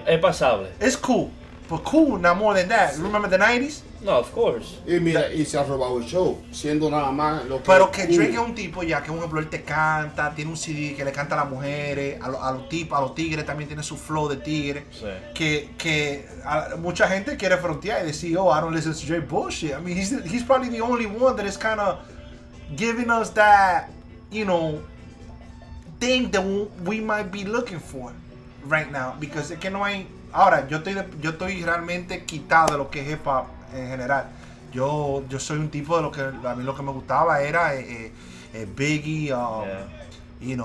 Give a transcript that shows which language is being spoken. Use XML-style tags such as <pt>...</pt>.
<es>Es pasable.</es> <en>It's cool. But cool, not more than that. Remember the 90s? No, of course.</en> <es>Y mira, y se ha robado el show, siendo nada más lo que. Pero que Drake es un tipo ya, que por ejemplo él te canta, tiene un CD que le canta a las mujeres, a los tigres también tiene su flow de tigre. Sí. Mucha gente quiere frontear y decir,</es> <en>oh, I don't listen to Drake bullshit. I mean, he's probably the only one that is kind of giving us that, you know, thing that we might be looking for right now.</en> <es>Because es que no hay. Ahora, yo estoy realmente quitado de lo que es hip hop en general. Yo soy un tipo de lo que a mí lo que me gustaba era Biggie, yeah.</es>